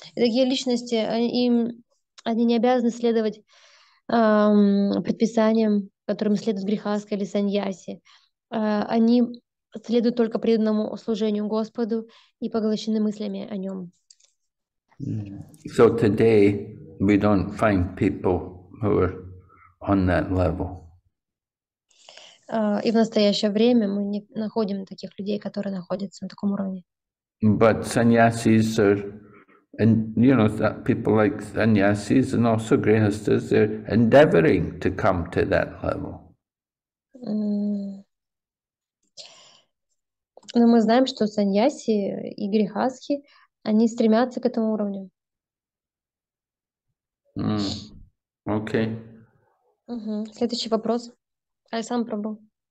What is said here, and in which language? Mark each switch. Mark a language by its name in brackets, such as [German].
[Russian] Такие личности, они не обязаны следовать предписаниям, которым следует грихаска или саньяси. Они следуют только преданному служению Господу и поглощены мыслями о нем. [English] So today we don't find people who are on that level. [Russian] И в настоящее время мы не находим таких людей, которые находятся на таком уровне. [English] But sannyasis are... And you know that people like sannyasis and also grihasthas, they're endeavoring to come to that level. [Russian] Но мы знаем, что саньяси и грехасхи, они стремятся к этому уровню. Окей. Следующий вопрос. Александр Прабу.